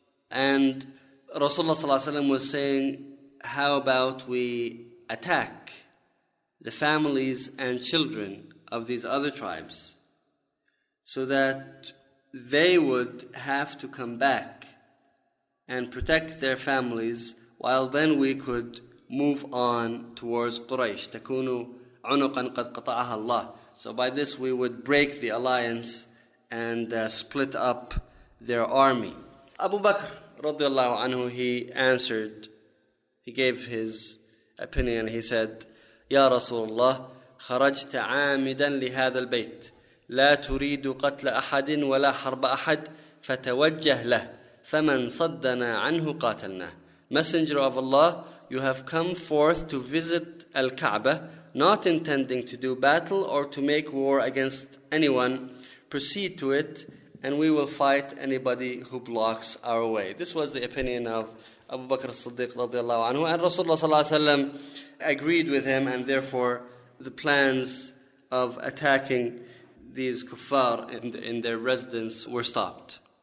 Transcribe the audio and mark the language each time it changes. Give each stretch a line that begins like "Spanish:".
English: And Rasulullah sallallahu alayhi wa sallam was saying, how about we attack the families and children of these other tribes so that they would have to come back and protect their families, while then we could move on towards Quraysh.
Arabic: تَكُونُ عُنُقًا قَدْ قَطَعَهَا اللَّهُ.
English: So by this we would break the alliance and split up their army.
Arabic: Abu Bakr رضي الله عنه,
English: he answered, he gave his opinion, he said,
Arabic: يَا رَسُولَ اللَّهِ خَرَجْتَ عَامِدًا لِهَذَا الْبَيْتِ لَا تُرِيدُ قَتْلَ أَحَدٍ وَلَا حَرْبَ أَحَدٍ فَتَوَجَّهْ لَهُ فَمَنْ صَدَّنَا عَنْهُ قَاتَلْنَاهُ.
English: Messenger of Allah, you have come forth to visit Al-Kaaba, not intending to do battle or to make war against anyone. Proceed to it, and we will fight anybody who blocks our way. This was the opinion of Abu Bakr as-Siddiq radiallahu anhu, and Rasulullah sallallahu alayhi wa sallam agreed with him, and therefore the plans of attacking these kuffar in their residence were stopped.